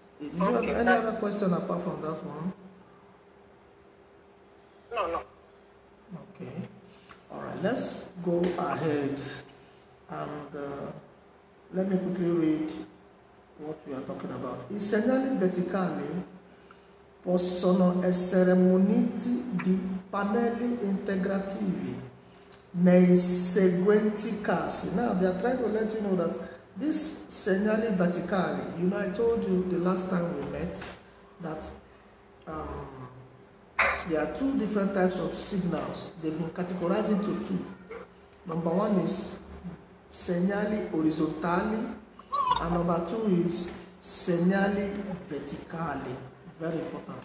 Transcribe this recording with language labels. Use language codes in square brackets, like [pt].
[en] Do you have any other question apart from that one? No. Okay. All right. Let's go ahead, and let me quickly read what we are talking about. [it] I segnali verticali possono essere muniti di pannelli integrativi nei seguenti casi. [en] Now they are trying to let you know that. This segnali verticali, you know, I told you the last time we met that there are two different types of signals. They've been categorized into two. Number one is segnali orizzontali, and number two is segnali verticali. Very important.